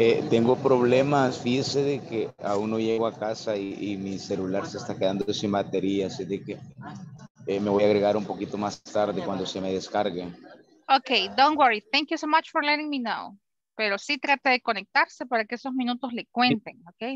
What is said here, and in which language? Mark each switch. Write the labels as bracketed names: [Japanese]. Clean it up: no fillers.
[Spanish] Tengo problemas, fíjese de que aún no llego a casa y mi celular se está quedando sin batería, así de que me voy a agregar un poquito más tarde cuando se me descargue. [English] Okay, don't worry, thank you so much for letting me know. [Spanish] Pero sí trate de conectarse para que esos minutos le cuenten, okay?